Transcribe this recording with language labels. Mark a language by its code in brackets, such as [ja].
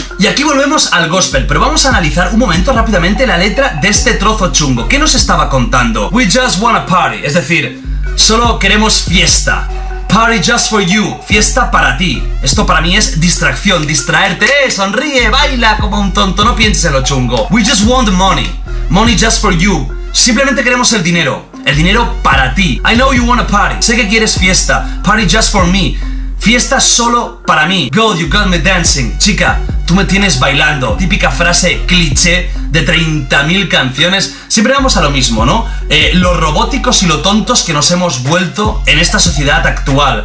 [es] Y aquí volvemos al gospel, pero vamos a analizar un momento rápidamente la letra de este trozo chungo. ¿Qué nos estaba contando? [en] We just wanna party, [es] es decir, solo queremos fiesta. [en] Party just for you, [es] fiesta para ti. Esto para mí es distracción, distraerte, sonríe, baila como un tonto, no pienses en lo chungo. [en] We just want the money, money just for you. [es] Simplemente queremos el dinero. El dinero para ti. [en] I know you wanna party. [es] Sé que quieres fiesta. [en] Party just for me. [es] Fiesta solo para mí. [en] Girl, you got me dancing. [es] Chica, tú me tienes bailando. Típica frase cliché de 30.000 canciones. Siempre vamos a lo mismo, ¿no? Lo robóticos y lo tontos que nos hemos vuelto en esta sociedad actual.